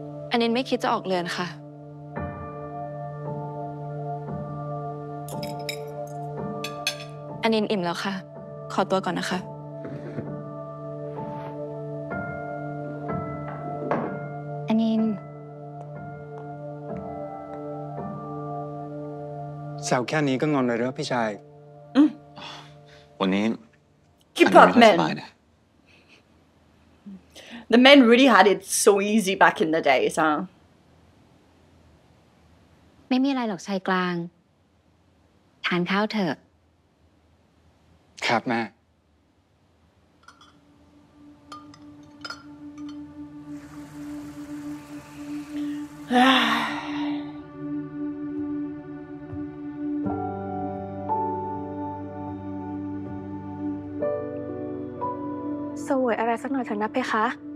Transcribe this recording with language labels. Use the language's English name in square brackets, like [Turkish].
[Thai] อันนินไม่คิดจะออกเรือนค่ะอันนินอิ่มแล้วค่ะขอตัวก่อนนะคะอันนิน แซวแค่นี้ก็งอนเลยหรือพี่ชาย วันนี้ [English] Keep up men The men really had it so easy back in the days huh [Thai] ไม่มีอะไรหรอกชายกลางทานข้าวเถอะ ครับแม่สวยอะไรสักหน่อยเถอะนะเพคะ